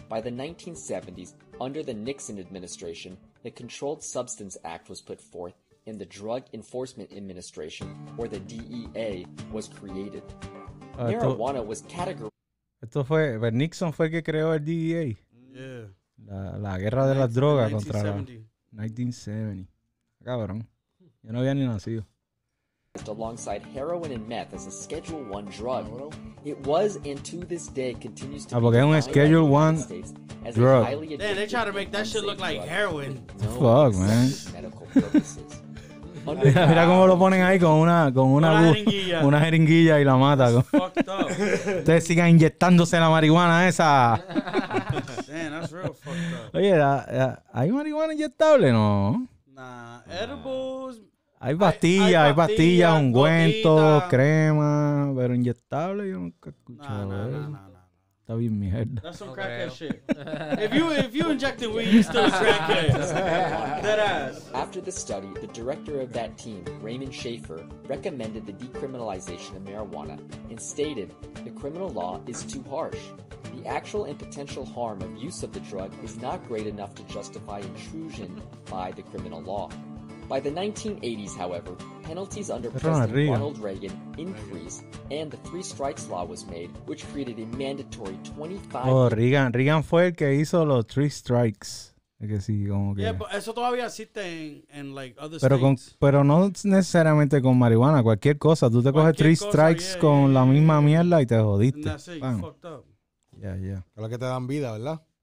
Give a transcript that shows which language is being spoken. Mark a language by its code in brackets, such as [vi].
[en] By the 1970s, under the Nixon administration, the Controlled Substance Act was put forth, and the Drug Enforcement Administration, or the DEA, was created. Marijuana was categorized. [es] Esto fue, pero Nixon fue el que creó el DEA. [en] Yeah. [es] La guerra de las drogas contra la 1970. Cabrón. Yo no había ni nacido. [en] Alongside heroin and meth as a Schedule I drug, it was and to this day continues to be a Schedule I drug. Man, they try to make that shit look like heroin. No, fuck, man. Medical purposes. [es] Mira cómo lo ponen ahí con una jeringuilla y la mata. [en] Fucked up. [es] Ustedes sigan inyectándose la marihuana esa. [en] Damn, that's real fucked up. [es] Oye, ¿hay marihuana inyectable? No. [en] Nah, edibles. [es] Hay pastillas, ungüentos, crema, pero inyectable yo nunca he escuchado. [en] Nah. [es] está bien mierda. [en] That's some crackhead shit. If you inject the weed, you still crackhead. That ass. After the study, the director of that team, Raymond Schaefer, recommended the decriminalization of marijuana and stated, "The criminal law is too harsh. The actual and potential harm of use of the drug is not great enough to justify intrusion by the criminal law." By the 1980s, however, penalties under President Ronald Reagan increased, and the three strikes law was made, which created a mandatory 25. Oh, Reagan. [es] Reagan fue el que hizo los [en] three strikes. [es] Es que sí, como que. [en] Yeah, but [es] eso todavía existe en [en] like other states. [es] Pero con, pero no necesariamente con marihuana, cualquier cosa. Tú te coges [en] three strikes [es] con la misma mierda y te jodiste. [en] Fucked up. Yeah, yeah. [es] Es la que te dan vida, ¿verdad?